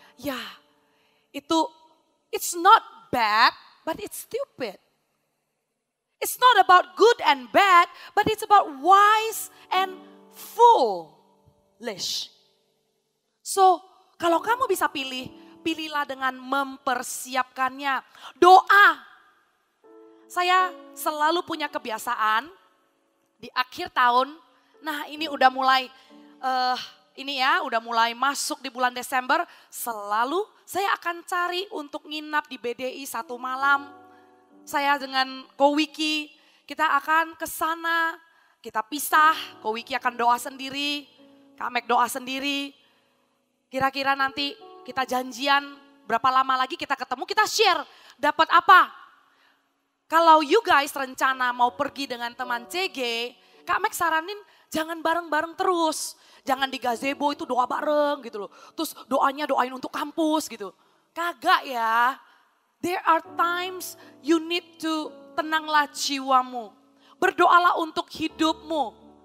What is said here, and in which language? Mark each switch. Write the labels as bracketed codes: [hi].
[id] Ya, itu, [en] it's not bad, but it's stupid. It's not about good and bad, but it's about wise and foolish. [id] So, kalau kamu bisa pilih, pilihlah dengan mempersiapkannya. Doa. Saya selalu punya kebiasaan di akhir tahun. Nah ini udah mulai ini ya, udah mulai masuk di bulan Desember, selalu saya akan cari untuk nginap di BDI satu malam. Saya dengan Ko Wiki, kita akan ke sana, kita pisah, Ko Wiki akan doa sendiri, Kak Mek doa sendiri. Kira-kira nanti kita janjian, berapa lama lagi kita ketemu, kita share, dapat apa? Kalau you guys rencana mau pergi dengan teman CG, Kak Mek saranin jangan bareng-bareng terus. Jangan di gazebo itu doa bareng gitu loh. Terus doanya doain untuk kampus gitu. Kagak ya. [en] There are times you need to [id] tenanglah jiwamu. Berdoalah untuk hidupmu.